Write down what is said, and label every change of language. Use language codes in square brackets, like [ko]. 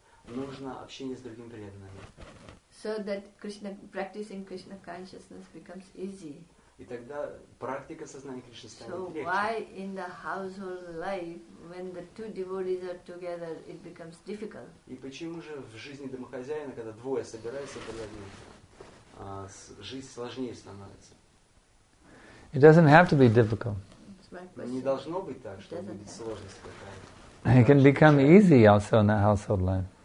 [ru] нужно общение с другими преданными. [en] So that Krishna, practicing Krishna consciousness becomes easy. [ru] И тогда практика сознания Кришны станет легче. [en] So why in the household life, when the two devotees are together, it becomes difficult? [ru] И почему же в жизни домохозяина, когда двое собираются преданными, жизнь сложнее становится? [en] It doesn't have to be difficult. [ru] Не должно быть так, что будет сложность какая-то. [en] It can become easy also in the household life.